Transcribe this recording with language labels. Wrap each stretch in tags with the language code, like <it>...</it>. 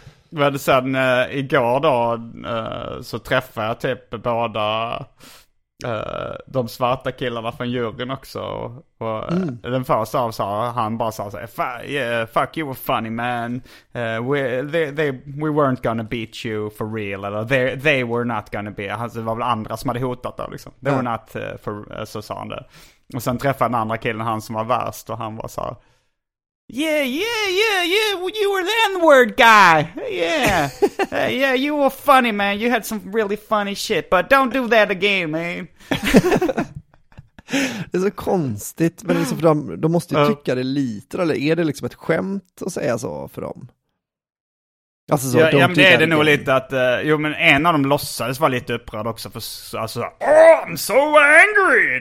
<sv>Men sen igår då så träffade jag typ båda de svarta killarna från juryn också. Och den första av så han bara sa så här,</sv> <en>fuck you were funny man. We weren't gonna beat you for real. Eller they were not gonna be.</en> <sv>Alltså, det var väl andra som hade hotat då liksom.</sv> <en>They were not for,</en> <sv>så sa han det. Och sen träffade den andra killen, han som var värst, och han bara så här,</sv> <en>Yeah, you were the N-word guy. Yeah, you were funny, man. You had some really funny shit, but don't do that again, man.</en> <sv>Det är så konstigt, men liksom för de måste ju tycka det lite, eller är det liksom ett skämt att säga så för dem? Alltså så, ja, men det är det nog lite att, jo men en av dem låtsades vara lite upprörd också, för alltså,</sv> <en>oh, I'm so angry!</en>